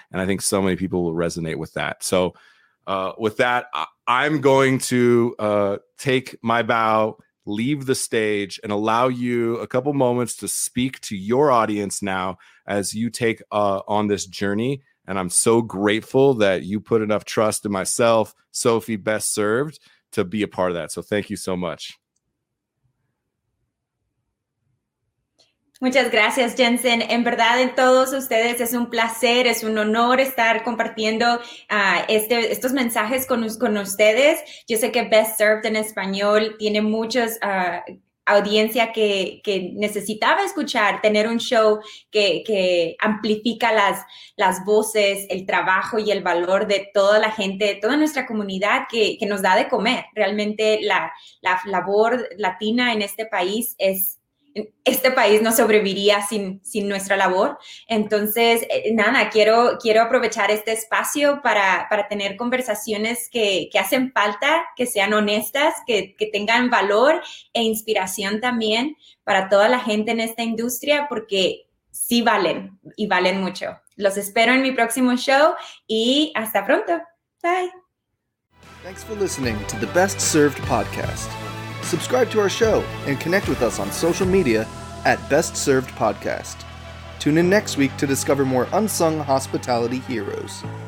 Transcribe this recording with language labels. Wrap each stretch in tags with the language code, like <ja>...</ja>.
<en>And I think so many people will resonate with that. So with that, I'm going to take my bow, leave the stage, and allow you a couple moments to speak to your audience now as you take on this journey. And I'm so grateful that you put enough trust in myself, Sophie, Best Served, to be a part of that. So thank you so much.</en> <es>Muchas gracias, Jensen. En verdad, en todos ustedes es un placer, es un honor estar compartiendo estos mensajes con ustedes. Yo sé que Best Served en español tiene muchos audiencia que necesitaba escuchar, tener un show que amplifica las voces, el trabajo y el valor de toda la gente, toda nuestra comunidad que nos da de comer. Realmente la labor latina en este país es... Este país no sobreviviría sin nuestra labor. Entonces, nada, quiero aprovechar este espacio para tener conversaciones que hacen falta, que sean honestas, que tengan valor e inspiración también para toda la gente en esta industria, porque sí valen y valen mucho. Los espero en mi próximo show y hasta pronto.</es> <en>Bye. Thanks for listening to the Best Served Podcast. Subscribe to our show and connect with us on social media at Best Served Podcast. Tune in next week to discover more unsung hospitality heroes.</en>